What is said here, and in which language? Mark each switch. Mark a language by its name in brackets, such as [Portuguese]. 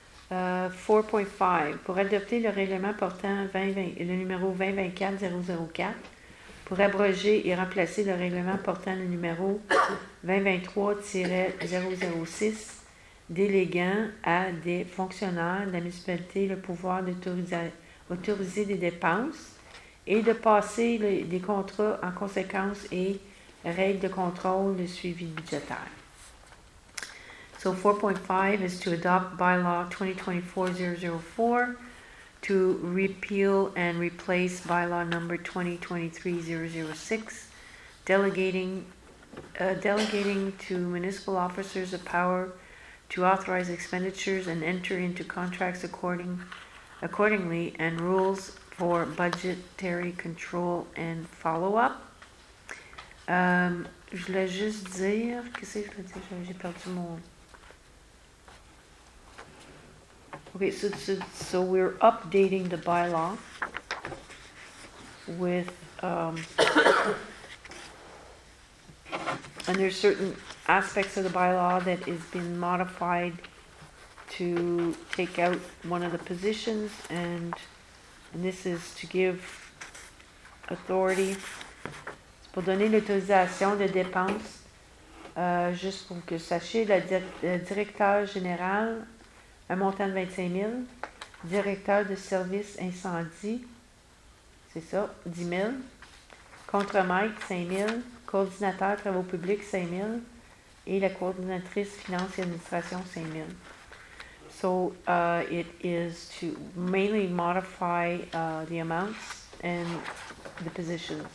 [French] 4.5, pour adopter le règlement portant le numéro 2024-004, pour abroger et remplacer le règlement portant le numéro 2023-006, déléguant à des fonctionnaires de la municipalité le pouvoir d'autoriser des dépenses et de passer des contrats en conséquence et règles de contrôle de suivi budgétaire. [English] So 4.5 is to adopt bylaw 2024-004 to repeal and replace bylaw number 2023-006, delegating to municipal officers the power to authorize expenditures and enter into contracts accordingly and rules for budgetary control and follow-up. [French] Je voulais juste dire, qu'est-ce que je voulais dire? J'ai perdu mon... [English] Okay, so we're updating the bylaw. with, and there's certain aspects of the bylaw that has been modified to take out one of the positions, and this is to give authority. [French] C'est pour donner l'autorisation de dépenses, juste pour que sachiez, le directeur général, un montant de 25 000, directeur de service incendie, c'est ça, 10 000, contremaître, 5 000, coordinateur travaux publics, 5 000, et la coordinatrice finance et administration, 5 000. [English] So it is to mainly modify the amounts and the positions.